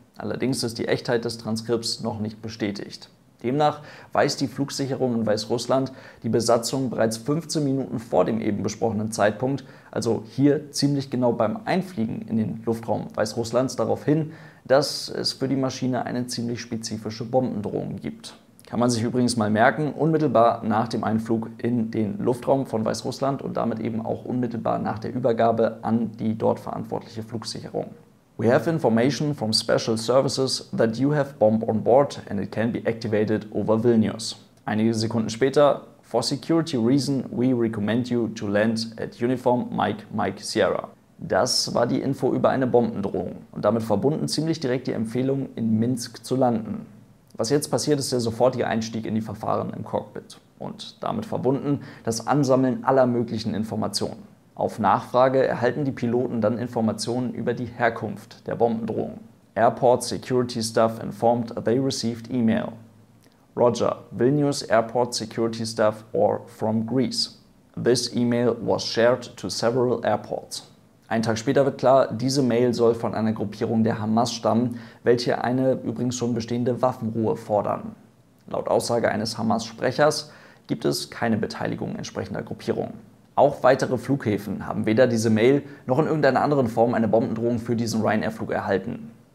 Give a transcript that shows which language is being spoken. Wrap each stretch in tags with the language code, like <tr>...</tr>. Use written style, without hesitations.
<de>Allerdings ist die Echtheit des Transkripts noch nicht bestätigt. Demnach weiß die Flugsicherung in Weißrussland die Besatzung bereits 15 Minuten vor dem eben besprochenen Zeitpunkt, also hier ziemlich genau beim Einfliegen in den Luftraum Weißrusslands, darauf hin, dass es für die Maschine eine ziemlich spezifische Bombendrohung gibt. Kann man sich übrigens mal merken, unmittelbar nach dem Einflug in den Luftraum von Weißrussland und damit eben auch unmittelbar nach der Übergabe an die dort verantwortliche Flugsicherung.</de> <en>We have information from special services that you have bomb on board and it can be activated over Vilnius.</en> <de>Einige Sekunden später,</de> <en>for security reason we recommend you to land at Uniform Mike Mike Sierra.</en> <de>Das war die Info über eine Bombendrohung und damit verbunden ziemlich direkt die Empfehlung, in Minsk zu landen. Was jetzt passiert, ist der sofortige Einstieg in die Verfahren im Cockpit und damit verbunden das Ansammeln aller möglichen Informationen. Auf Nachfrage erhalten die Piloten dann Informationen über die Herkunft der Bombendrohung.</de> <en>Airport Security Staff informed they received email. Roger, Vilnius Airport Security Staff or from Greece. This email was shared to several airports.</en> <de>Einen Tag später wird klar, diese Mail soll von einer Gruppierung der Hamas stammen, welche eine übrigens schon bestehende Waffenruhe fordern. Laut Aussage eines Hamas-Sprechers gibt es keine Beteiligung entsprechender Gruppierungen. Auch weitere Flughäfen haben weder diese Mail noch in irgendeiner anderen Form eine Bombendrohung für diesen Ryanair-Flug erhalten.</de>